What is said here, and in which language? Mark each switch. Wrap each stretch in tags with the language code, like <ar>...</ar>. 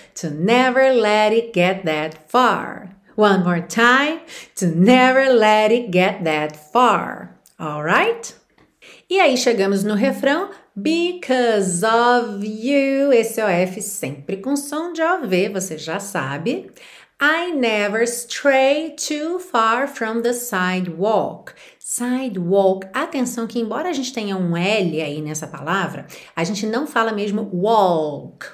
<en>To never let it get that far. One more time. To never let it get that far. All right?</en> <pt>E aí, chegamos no refrão.</pt> <en>Because of you,</en> <pt>esse OF sempre com som de OV, você já sabe.</pt> <en>I never stray too far from the sidewalk.</en> <pt>Sidewalk, atenção que embora a gente tenha um L aí nessa palavra, a gente não fala mesmo walk.</pt>